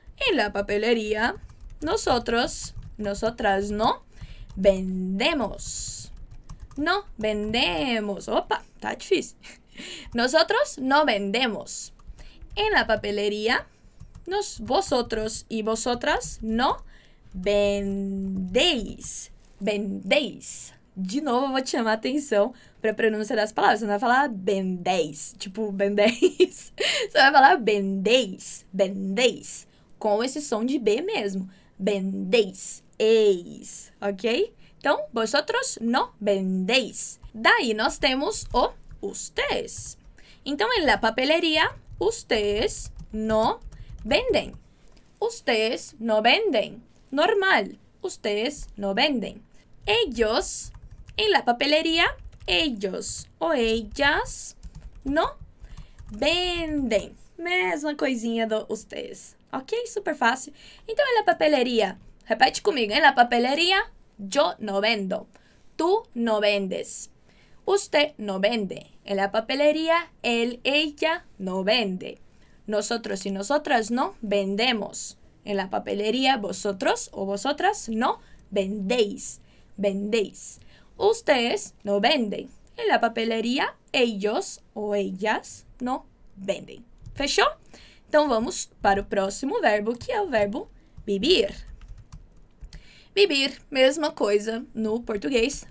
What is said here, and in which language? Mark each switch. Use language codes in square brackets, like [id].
[es] En la papelería, nosotros, nosotras, no vendemos. No vendemos. Opa, está difícil. Nosotros no vendemos. En la papelería, vosotros y vosotras no vendéis. Vendéis. [pt] De novo, vou te chamar a atenção para a pronúncia das palavras. Você não vai falar vendéis, tipo vendéis. Você vai falar vendéis, vendéis, com esse som de B mesmo. [es] Vendéis, eis, ok? Então, vosotros no vendéis. [pt] Daí nós temos o [es] ustedes. Então, en la papelería, ustedes no venden. Ustedes no venden. Normal, ustedes no venden. Ellos, en la papelería, ellos o ellas no venden. [pt] Mesma coisinha do ustedes. Ok, super fácil. Então, [es] en la papelería, [pt] repete comigo. [es] En la papelería, yo no vendo. Tú no vendes. Usted no vende. En la papelería, él, ella no vende. Nosotros y nosotras no vendemos. En la papelería, vosotros o vosotras no vendéis. Vendéis. Ustedes no venden. En la papelería, ellos o ellas no venden. ¿Fechó? [pt] Então vamos para o próximo verbo, que é o verbo vivir. Vivir, mesma coisa no português.